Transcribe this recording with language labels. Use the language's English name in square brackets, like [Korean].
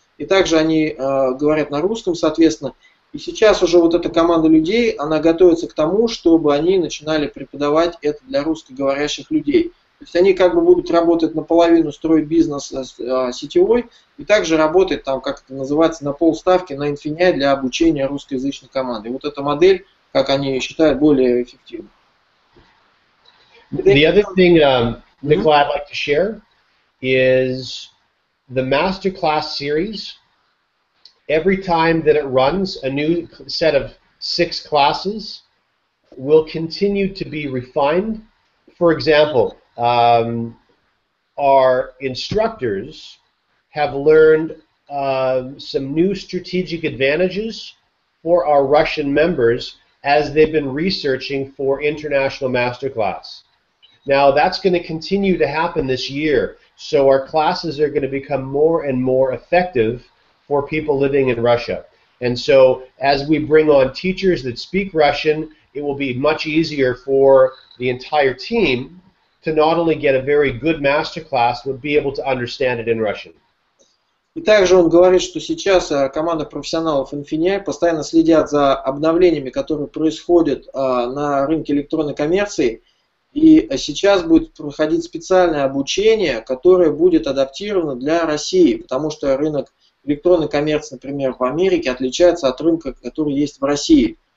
[Russian] И также они говорят на русском, соответственно. И сейчас уже вот эта команда людей, она готовится к тому, чтобы они начинали преподавать это для русскоговорящих людей. То есть они как бы будут работать наполовину, строить бизнес сетевой, и также работать там, как это называется, на полставки, на инфиня для обучения русскоязычной команды. И вот эта модель, как они считают, более эффективна. [English] The other thing, Nikolai, I'd like to share is the masterclass series. Every time that it runs, a new set of 6 classes will continue to be refined. For example, our instructors have learned some new strategic advantages for our Russian members as they've been researching for international masterclass. Now, that's going to continue to happen this year, so our classes are going to become more and more effective for people living in Russia. And so as we bring on teachers that speak Russian, it will be much easier for the entire team to not only get a very good masterclass, but be able to understand it in Russian. [Russian] И также он говорит, что сейчас команда профессионалов Infinia постоянно следят за обновлениями, которые происходят на рынке электронной коммерции. И сейчас будет проходить специальное обучение, которое будет адаптировано для России, потому что рынок электронный коммерц, например, в Америке отличается от рынка, который есть в России.